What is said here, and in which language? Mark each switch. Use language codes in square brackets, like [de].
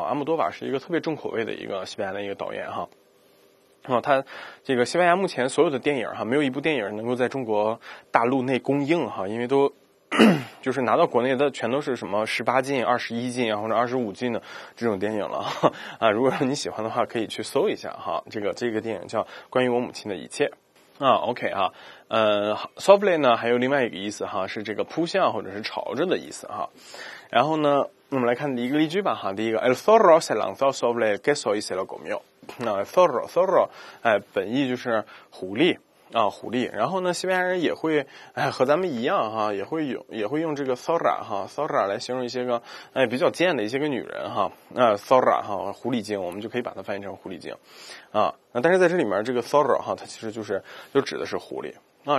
[zh] 阿莫多瓦是一个特别重口味的一个西班牙的一个导演哈。啊，他这个西班牙目前所有的电影哈，没有一部电影能够在中国大陆内公映哈，因为都就是拿到国内的全都是什么18禁、21禁啊，或者25禁的这种电影了啊。如果你喜欢的话，可以去搜一下哈。这个电影叫《关于我母亲的一切》。啊 ，OK 啊，softly 呢还有另外一个意思哈，是这个扑向或者是朝着的意思哈。然后呢，我们来看第一个例句吧哈。第一个 [es] ，el zorro se lanzó sobre el queso y se lo comió。 [zh] 那 zorro 本意就是狐狸啊，狐狸。然后呢，西班牙人也会和咱们一样哈，也会用这个 zorra 哈 ，zorra 来形容一些个比较贱的一些个女人哈。那 zorra 哈，狐狸精，我们就可以把它翻译成狐狸精。啊，但是在这里面这个 zorro 哈，它其实就指的是狐狸啊。